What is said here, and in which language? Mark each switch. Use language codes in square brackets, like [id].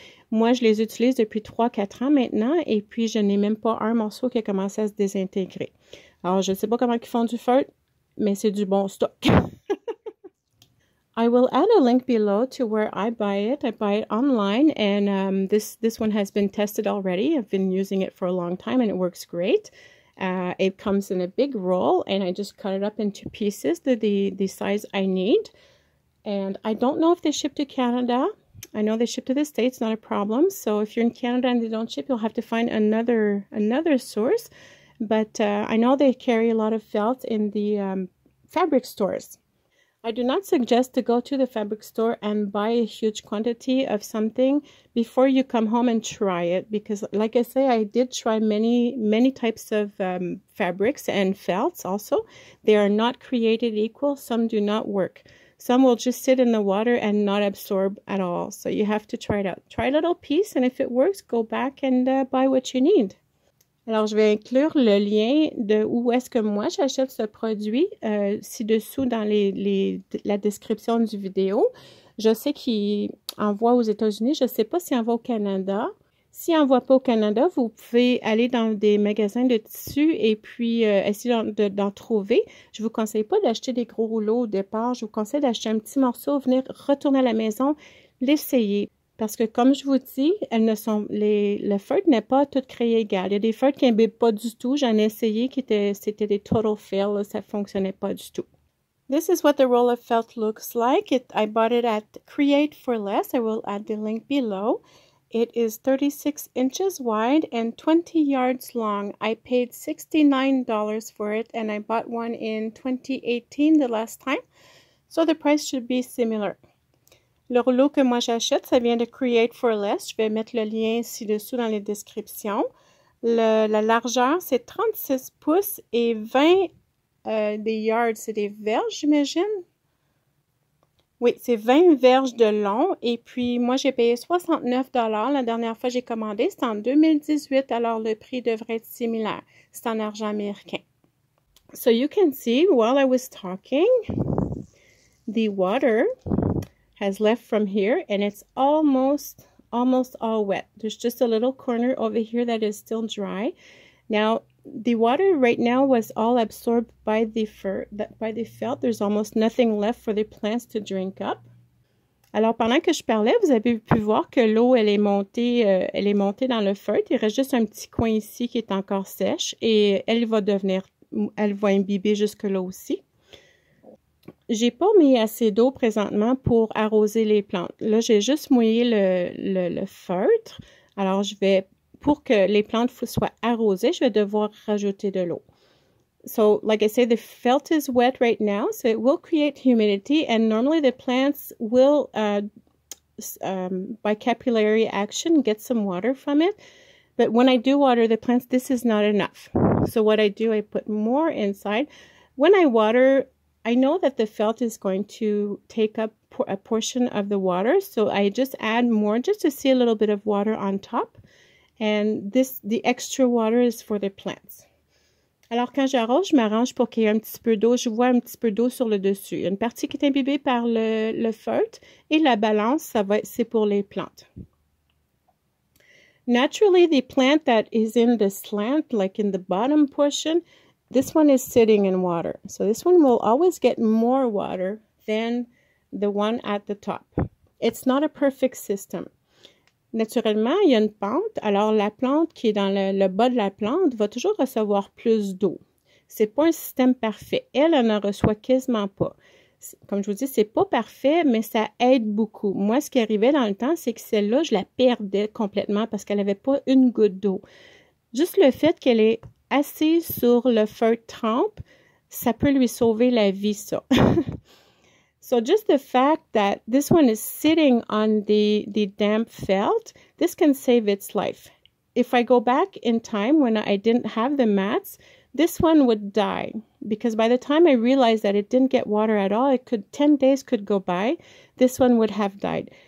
[fr] Moi, je les utilise depuis 3-4 ans maintenant et puis je n'ai même pas un morceau qui a commencé à se désintégrer. Alors, je ne sais pas comment ils font du feutre, mais c'est du bon stock. [en] I will add a link below to where I buy it. I buy it online, and this one has been tested already. I've been using it for a long time, and it works great. It comes in a big roll, and I just cut it up into pieces the size I need. And I don't know if they ship to Canada. I know they ship to the States, not a problem. So if you're in Canada and they don't ship, you'll have to find another source. But I know they carry a lot of felt in the fabric stores. I do not suggest to go to the fabric store and buy a huge quantity of something before you come home and try it. Because, like I say, I did try many, many types of fabrics and felts also. They are not created equal. Some do not work. Some will just sit in the water and not absorb at all. So you have to try it out. Try a little piece, and if it works, go back and buy what you need. [fr] Alors, je vais inclure le lien de où est-ce que moi j'achète ce produit ci-dessous dans la description du vidéo. Je sais qu'il envoie aux États-Unis. Je ne sais pas s'il envoie au Canada. S'il envoie pas au Canada, vous pouvez aller dans des magasins de tissus et puis essayer d'en trouver. Je vous conseille pas d'acheter des gros rouleaux au départ. Je vous conseille d'acheter un petit morceau, venir retourner à la maison, l'essayer. Parce que comme je vous dis, elles ne sont les le feutre n'est pas tout créé égal. Il y a des feutres qui n'imbibent pas du tout. J'en ai essayé qui étaient c'était des total fail, là, ça fonctionnait pas du tout. [en] This is what the roll of felt looks like. I bought it at Create for Less. I will add the link below. It is 36 inches wide and 20 yards long. I paid $69 for it, and I bought one in 2018 the last time, so the price should be similar. [fr] Le rouleau que moi j'achète, ça vient de Create for Less. Je vais mettre le lien ci-dessous dans les descriptions. La largeur, c'est 36 pouces et 20 des yards. C'est des verges, j'imagine. Oui, c'est 20 verges de long. Et puis, moi, j'ai payé 69 $ la dernière fois que j'ai commandé. C'était en 2018, alors le prix devrait être similaire. C'est en argent américain. [en] So, you can see, while I was talking, the water has left from here and it's almost all wet. There's just a little corner over here that is still dry. Now, the water right now was all absorbed by the fur that by the felt. There's almost nothing left for the plants to drink up. [fr] Alors pendant que je parlais, vous avez pu voir que l'eau elle est montée dans le feutre. Il reste juste un petit coin ici qui est encore sèche et elle va imbiber jusque là aussi. J'ai pas mis assez d'eau présentement pour arroser les plantes. Là, j'ai juste mouillé le feutre. Alors, je vais, pour que les plantes soient arrosées, je vais devoir rajouter de l'eau. [en] So, like I said, the felt is wet right now, so it will create humidity, and normally the plants will, by capillary action, get some water from it. But when I do water the plants, this is not enough. So, what I do, I put more inside. When I water, I know that the felt is going to take up a portion of the water, so I just add more just to see a little bit of water on top. And the extra water is for the plants. [fr] Alors, quand j'arrose, je m'arrange pour qu'il y ait un petit peu d'eau. Je vois un petit peu d'eau sur le dessus. Une partie qui est imbibée par le feutre et la balance, ça va être, c'est pour les plantes. [en] Naturally, the plant that is in the slant, like in the bottom portion, this one is sitting in water. So this one will always get more water than the one at the top. It's not a perfect system. [fr] Naturellement, il y a une pente, alors la plante qui est dans le bas de la plante va toujours recevoir plus d'eau. C'est pas un système parfait. Elle en reçoit quasiment pas. Comme je vous dis, c'est pas parfait, mais ça aide beaucoup. Moi, ce qui arrivait dans le temps, c'est que celle-là, je la perdais complètement parce qu'elle n'avait pas une goutte d'eau. Juste le fait qu'elle est assise sur le feutre trempe, ça peut lui sauver la vie, ça. [en] So just the fact that this one is sitting on the damp felt, this can save its life. If I go back in time when I didn't have the mats, this one would die. Because by the time I realized that it didn't get water at all, it could 10 days could go by, this one would have died.